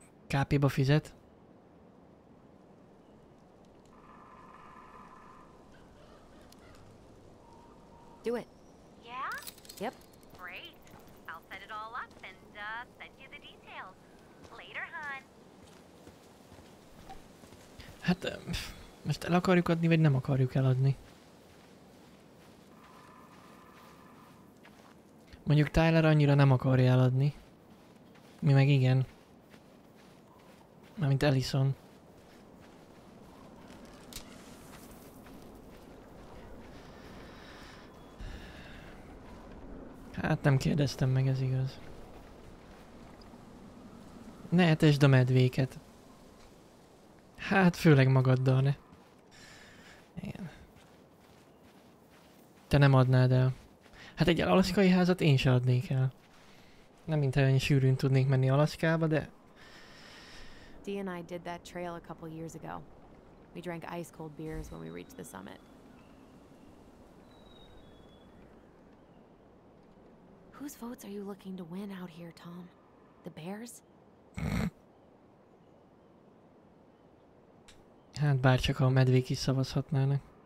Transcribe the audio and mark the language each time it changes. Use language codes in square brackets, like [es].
[hu] Kápéba fizet. [en] Do it. Yeah? Yep. Great. I'll set it all up and send you the details. Later, hon. [hu] Hát, most el akarjuk adni, vagy nem akarjuk eladni? Mondjuk Tyler annyira nem akarja eladni. Mi meg igen. Mármint Allison. Hát nem kérdeztem meg, ez igaz. Ne etesd a medvéket. Hát főleg magaddal, ne. Igen. Te nem adnád el. Hát egy alaszkai házat én sem adnék el. Nem mintha olyan sűrűn tudnék menni Alaszkába, de... [en] D and I did that trail a couple years ago. We drank ice-cold beers when we reached the summit. Whose votes are you looking to win out here, Tom? The bears? [hu] Hát bárcsak a medvék is szavazhatnának.